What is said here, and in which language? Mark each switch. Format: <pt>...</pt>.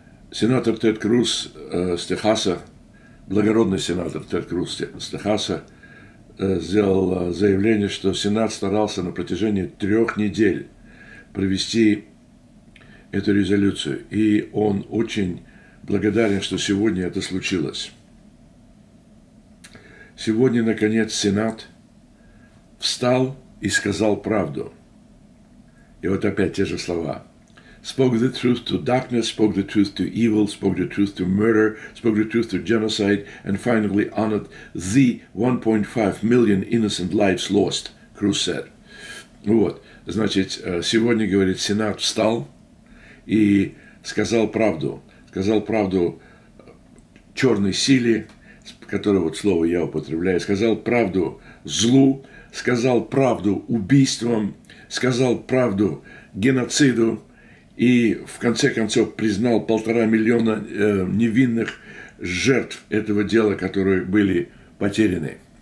<ru>Сенатор Тед Круз с Техаса, благородный сенатор Тед Круз с Техаса, сделал заявление, что Сенат старался на протяжении 3 недель провести эту резолюцию. И он очень благодарен, что сегодня это случилось. Сегодня, наконец, Сенат встал и сказал правду. И вот опять те же слова.</ru> <en>Spoke the truth to darkness, spoke the truth to evil, spoke the truth to murder, spoke the truth to genocide, and finally honored the 1.5 million innocent lives lost, Круз said.</en> <ru>Вот, значит, сегодня, говорит, Сенат встал и сказал правду. Сказал правду черной силе, которое вот слово я употребляю, сказал правду злу, сказал правду убийствам, сказал правду геноциду и в конце концов признал 1,5 миллиона невинных жертв этого дела, которые были потеряны.</ru>